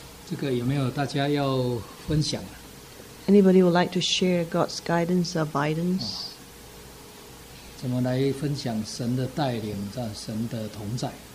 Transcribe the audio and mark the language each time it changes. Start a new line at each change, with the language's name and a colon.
Chinese: 这个有没有大家要分享？
English: Anybody would like to share God's guidance or abidance?
Chinese: 怎么来分享神的带领，神的同在？